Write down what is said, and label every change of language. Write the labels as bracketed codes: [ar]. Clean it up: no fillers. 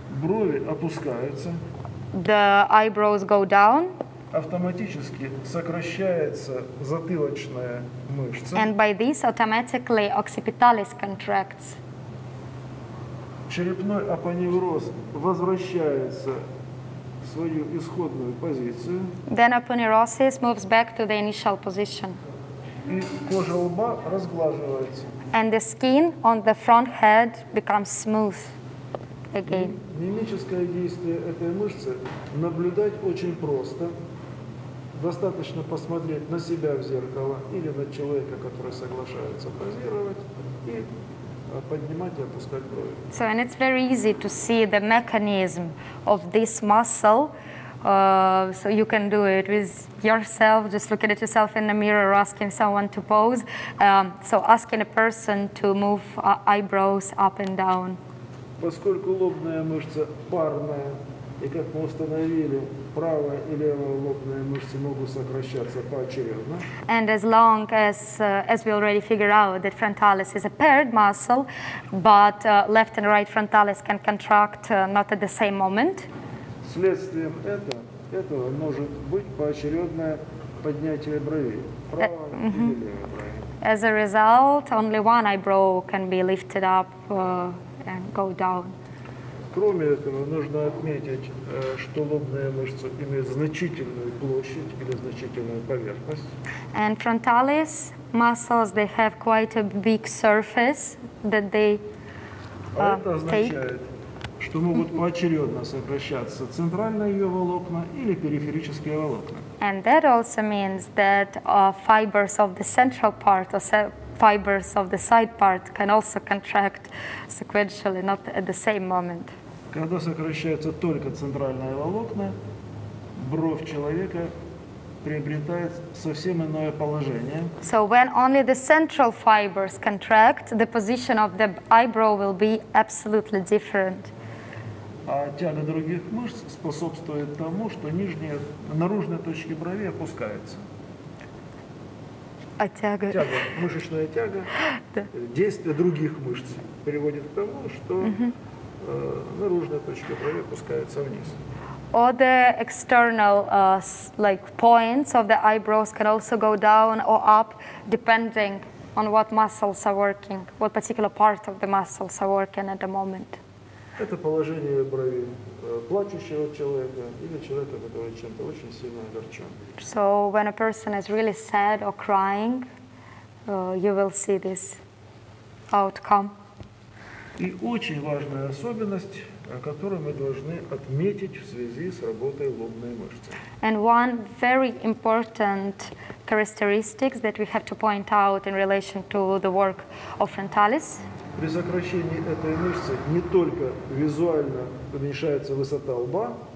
[ru] Брови опускаются. [en] The eyebrows go down. [ru] Автоматически сокращается затылочная мышца. [en] And by this, automatically occipitalis contracts. [ru] Черепной апоневроз возвращается в свою исходную позицию. [en] Then апоневросис moves back to the initial position. [ru] И кожа лба разглаживается. [en] And the skin on the front head becomes smooth again. [ru] Мимическое действие этой мышцы наблюдать очень просто. Достаточно посмотреть на себя в зеркало или на человека, который соглашается позировать, и поднимать и опускать брови. [en] So, and it's very easy to see the mechanism of this muscle. So you can do it with yourself, just looking at yourself in the mirror, asking someone to pose. So asking a person to move eyebrows up and down. [ru] Поскольку лобная мышца парная, и как мы установили, правая и левая лобные мышцы могут сокращаться поочередно. [en] And as long as we already figured out that frontalis is a paired muscle, but left and right frontalis can contract not at the same moment. [ru] Следствием этого может быть поочередное поднятие бровей, правая или левая бровь. [en] As a result, only one eyebrow can be lifted up and go down. [ru] Кроме этого, нужно отметить, что лобная мышца имеет значительную площадь или значительную поверхность. [en] And frontalis muscles, they have quite a big surface that they take. [ru] Что могут поочередно сокращаться центральные ее волокна или периферические волокна. [en] And that also means that fibers of the central part or fibers of the side part can also contract sequentially, not at the same moment. [ru] Когда сокращаются только центральные волокна, бровь человека приобретает совсем иное положение. [en] So when only the central fibers contract, the position of the eyebrow will be absolutely different. [ru] А тяга других мышц способствует тому, что нижние наружные точки брови опускаются. А тяга? Тяга, мышечная тяга, действие других мышц приводит к тому, что наружные точки брови опускаются вниз. [en] All the external like points of the eyebrows can also go down or up depending on what muscles are working, what particular part of the muscles are working at the moment. [ru] Это положение брови плачущего человека или человека, который чем-то очень сильно огорчен. [en] So when a person is really sad or crying, you will see this outcome. [ru] И очень важная особенность, которую мы должны отметить в связи с работой лобной мышцы. [en] And one very important characteristics that we have to point out in relation to the work of frontalis. [ru] При сокращении этой мышцы не только визуально уменьшается высота лба.